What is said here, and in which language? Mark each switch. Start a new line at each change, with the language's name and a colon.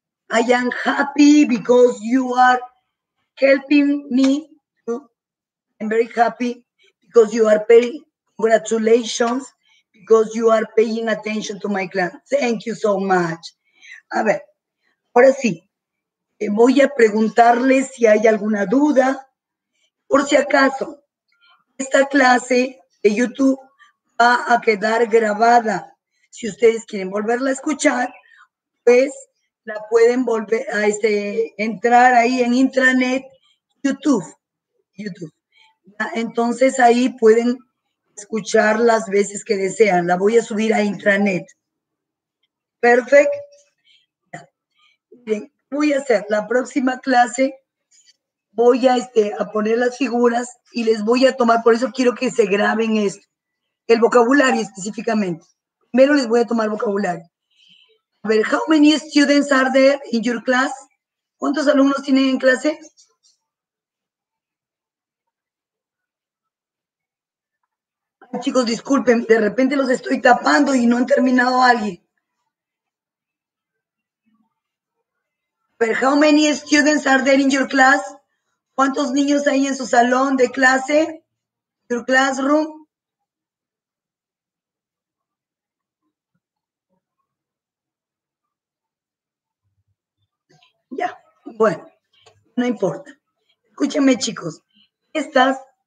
English: I am happy because you are helping me. I'm very happy because you are paying. Congratulations, because you are paying attention to my class. Thank you so much.
Spanish: A ver, ahora sí, voy a preguntarles si hay alguna duda. Por si acaso, esta clase de YouTube va a quedar grabada. Si ustedes quieren volverla a escuchar, pues la pueden volver a entrar ahí en intranet YouTube. Entonces ahí pueden escuchar las veces que desean. La voy a subir a intranet. Perfecto. Bien, voy a hacer la próxima clase. Voy a poner las figuras y les voy a tomar, por eso quiero que se graben esto, el vocabulario específicamente. Primero les voy a tomar vocabulario. A ver,
English: how many students are there in your class?
Spanish: ¿Cuántos alumnos tienen en clase? Chicos, disculpen, de repente los estoy tapando y no han terminado alguien.
English: But how many students are there in your class?
Spanish: ¿Cuántos niños hay en su salón de clase?
English: Your classroom.
Spanish: Ya, bueno, no importa. Escúchenme, chicos. Estas